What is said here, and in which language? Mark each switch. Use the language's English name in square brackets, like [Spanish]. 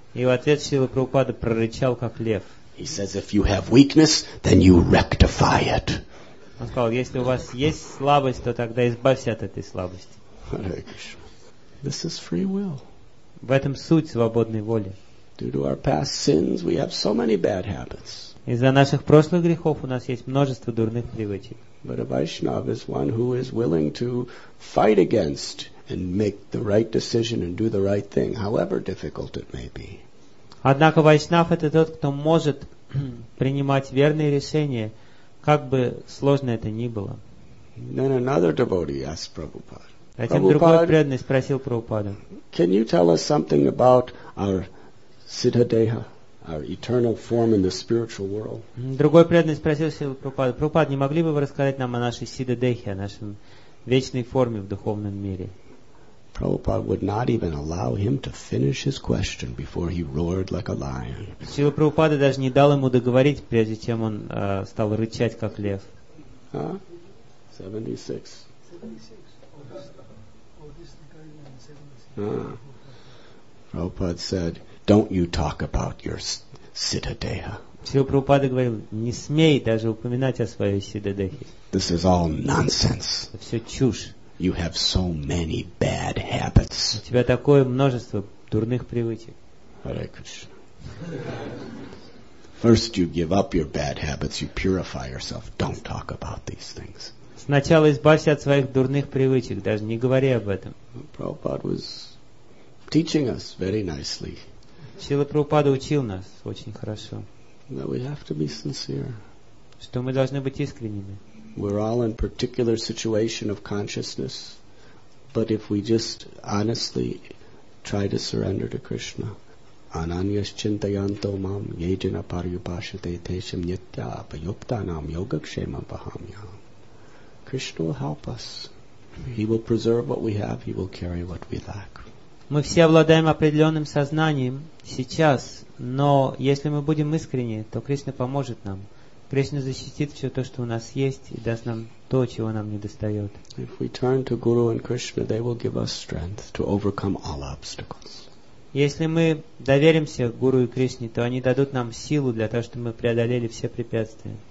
[Russian] И в ответ Шрила Прабхупада прорычал, как лев. [English] He says, if you have weakness, then you rectify it. [Russian] Он сказал, если у вас есть слабость, то тогда избавься от этой слабости. [English] Hare Krishna. This is free will. [Russian] В этом суть свободной воли. [English] Due to our past sins, we have so many bad habits. [Russian] Из-за наших прошлых грехов у нас есть множество дурных привычек. [English] But a Vaishnava is one who is willing to fight against and make the right decision and do the right thing, however difficult it may be. [Russian] Однако вайшнав это тот, кто может принимать верные решения, как бы сложно это ни было. [English] Then another devotee asked Prabhupada. [Russian] Затем другой преданный спросил Прабхупаду. [English] Can you tell us something about our siddhadeha, our eternal form in the spiritual world? [Russian] Другой преданный спросил Прабхупаду. Прабхупад, не могли бы вы рассказать нам о нашей сиддхадехе, о нашем вечной форме в духовном мире? [English] Prabhupada would not even allow him to finish his question before he roared like a lion. [Russian] Шрила Прабхупада даже не дал ему договорить, прежде чем он стал рычать, как лев. Huh? 76. [English] Prabhupada said, don't you talk about your siddhadeha. [Russian] Шрила Прабхупада говорил, не смей даже упоминать о своей сиддхадехе. [English] This is all nonsense. [Russian] Это все чушь. [English] You have so many bad habits. [Russian] У тебя такое множество дурных привычек. [English] Hare Krishna. First you give up your bad habits, you purify yourself. Don't talk about these things. [Russian] Сначала избавься от своих дурных привычек, даже не говори об этом. [English] Prabhupada was teaching us very nicely. [Russian] Шрила Прабхупада учил нас очень хорошо, [English] that we have to be sincere. [Russian] Что мы должны быть искренними. [English] We're all in particular situation of consciousness, but if we just honestly try to surrender to Krishna, [Sanskrit] Ананьяш чинтаянто мам йеджина парьюпашите тешам нитья апайоктанам йогакшемам пахамьям. [English] Krishna will help us. He will preserve what we have. He will carry what we lack. [Russian] Мы все обладаем определенным сознанием сейчас, но если мы будем искренни, то Кришна поможет нам. Кришна защитит все то, что у нас есть, и даст нам то, чего нам не достает. [English] If we turn to Guru and Krishna, they will give us strength to overcome all obstacles. [Russian] Если мы доверимся Гуру и Кришне, то они дадут нам силу для того, чтобы мы преодолели все препятствия.